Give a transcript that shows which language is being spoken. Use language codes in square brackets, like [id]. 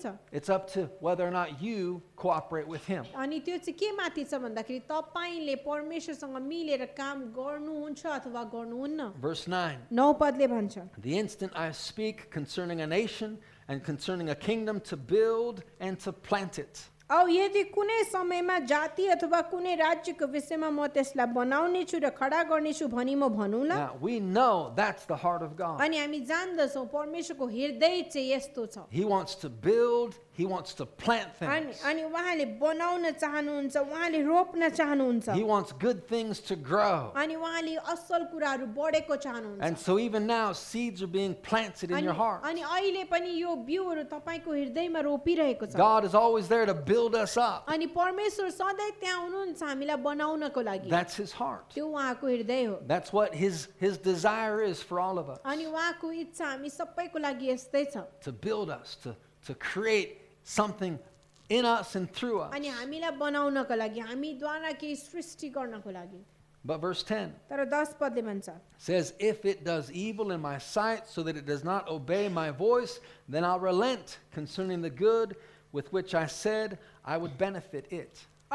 [en] It's up to whether or not you cooperate with him. [ne] अनि त्यो चाहिँ के माथि छ भन्दाखेरि तपाईले परमेश्वरसँग मिलेर काम गर्नुहुन्छ अथवा गर्नुहुन्न. [en] Verse 9. [ne] नौ पदले भन्छ. [en] The instant I speak concerning a nation and concerning a kingdom to build and to plant it. [ne] औ यदि कुनै समयमा जाति अथवा कुनै राज्यको विषयमा म त्यसलाई बनाउनेछु र खडा गर्नेछु भनी म भनुला. [en] Now we know that's the heart of God. [ne] अनि हामी जान्दछौं परमेश्वरको हृदय चाहिँ यस्तो छ. [en] He wants to build He wants to plant things. [ne] अनि उहाँले बनाउन चाहनुहुन्छ उहाँले रोप्न चाहनुहुन्छ. [en] He wants good things to grow. [ne] अनि उहाँले असल कुराहरू बढेको चाहनुहुन्छ. [en] And so even now seeds are being planted in your heart. [ne] अनि अहिले पनि यो बीउहरू तपाईको हृदयमा रोपिरहेको छ. [en] God is always there to build build us up. [ne] अनि परमेश्वर सधैं त्यहाँ हुनुहुन्छ हामीलाई बनाउनको लागि. [en] That's his heart. [ne] त्यो उहाँको हृदय हो. [en] That's what his desire is for all of us. [ne] अनि उहाँको इच्छा हामी सबैको लागि यस्तै छ. [en] To build us, to create something in us and through us. [ne] अनि हामीलाई बनाउनको लागि हामी द्वारा केही सृष्टि गर्नको लागि. [en] But verse 10 says, if it does evil in my sight so that it does not obey my voice, then I'll relent concerning the good with which I said I would benefit it.